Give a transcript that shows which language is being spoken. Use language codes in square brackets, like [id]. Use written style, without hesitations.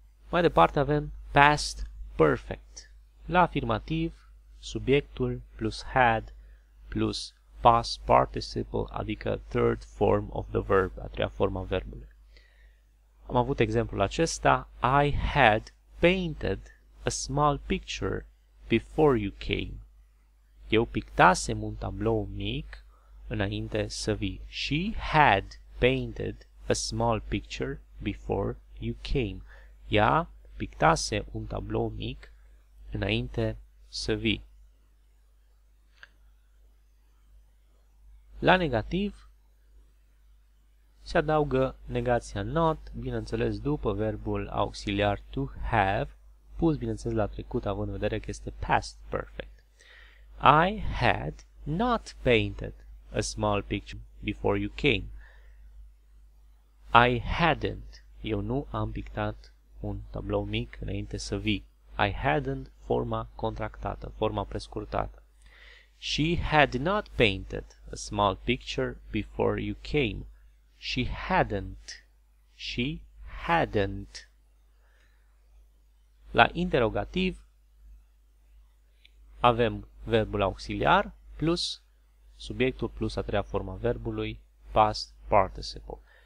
[ro] Mai departe avem past perfect. La afirmativ, subiectul plus had plus past participle, adică [en] third form of the verb, [ro] a treia formă a verbului. Am avut exemplul acesta, [en] I had painted a small picture before you came. [ro] Eu pictasem un tablou mic înainte să vii. [en] She had painted a small picture before you came. [ro] Ea pictase un tablou mic înainte să vii. La negativ se adaugă negația not, bineînțeles, după verbul auxiliar to have, pus, bineînțeles, la trecut, având în vedere că este past perfect. [en] I had not painted a small picture before you came. I hadn't. [ro] Eu nu am pictat un tablou mic înainte să vii. [en] I hadn't, [ro] forma contractată, forma prescurtată. [en] She had not painted a small picture before you came. She hadn't. She hadn't. [ro] La interrogativ avem verbul auxiliar plus subiectul plus a treia formă a verbului, past participle.